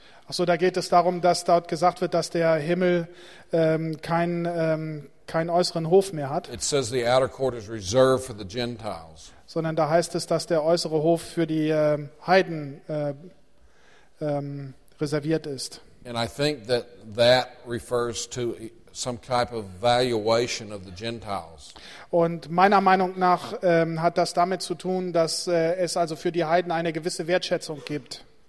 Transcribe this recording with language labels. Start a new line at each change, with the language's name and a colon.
German: So, da geht es darum, dass dort gesagt wird, dass der Himmel keinen äußeren Hof mehr hat.
English: It says the outer court is reserved for the Gentiles.
German: Sondern da heißt es, dass der äußere Hof für die Heiden reserviert ist.
English: And I think that that refers to some type of valuation of the Gentiles.
German: Und meiner Meinung nach hat das damit zu tun, dass es also für die Heiden eine gewisse Wertschätzung gibt.